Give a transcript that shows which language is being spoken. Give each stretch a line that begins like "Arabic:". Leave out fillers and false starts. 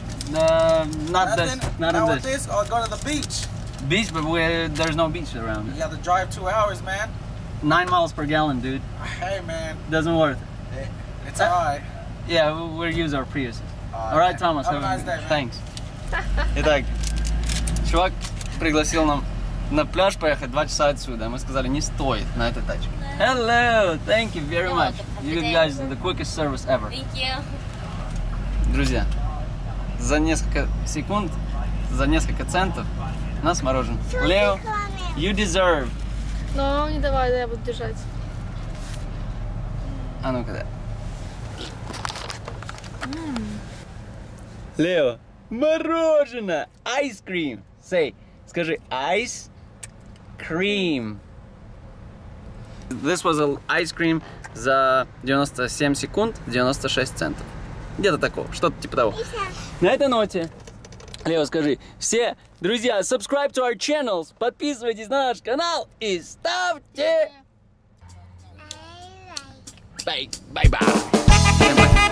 English: Not this. Or go to the beach. Beach, but there's no beach around. You got to drive 2 hours, man. 9 miles per gallon, dude. Hey, man. Doesn't worth it. It's all right. Yeah, we'll use our Priuses. All right, Thomas. Have a nice day, man. Thanks.
Russian: Итак, чувак пригласил нам на пляж поехать 2 часа отсюда. Мы сказали, не стоит на этой тачке.
English: Hello, thank you very much. You guys are the quickest service ever. Thank you.
Russian: Друзья, за несколько секунд, за несколько центов, у нас мороженое.
English: Лео, you deserve.
Russian: Ну, не давай, да, я буду держать. А ну-ка, да. Лео, мороженое,
English: ice cream. Say,
Russian: скажи,
English: ice cream. This was an ice cream
Russian: за 97 секунд, 96 центов. Где-то такого, что-то типа того. На этой ноте, Лео, скажи, все, друзья,
English: subscribe to our channels,
Russian: подписывайтесь на наш канал и ставьте...
English: Bye-bye!